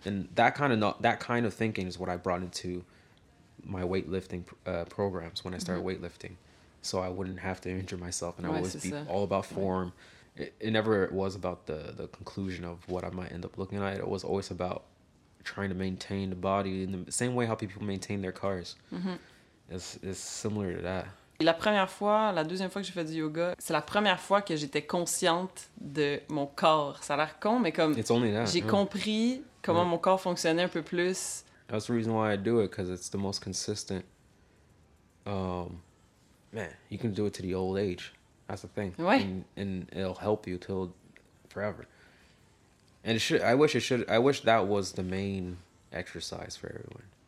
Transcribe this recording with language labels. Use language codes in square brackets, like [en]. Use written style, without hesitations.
[en] And that kind of thinking is what I brought into my weightlifting programs when I started weightlifting, so I wouldn't have to injure myself, and I would always be all about form. It never was about the conclusion of what I might end up looking like. It was always about trying to maintain the body in the same way how people maintain their cars. Mm-hmm. It's similar to that. [fr] Et la deuxième fois que j'ai fait du yoga, c'est la première fois que j'étais consciente de mon corps. Ça a l'air con, mais comme compris comment mon corps fonctionnait un peu plus. [en] That's the reason why I do it, because it's the most consistent. Man, you can do it to the old age. That's the thing. [fr] Ouais. [en] And it'll help you till forever. And I wish that was the main exercise for everyone.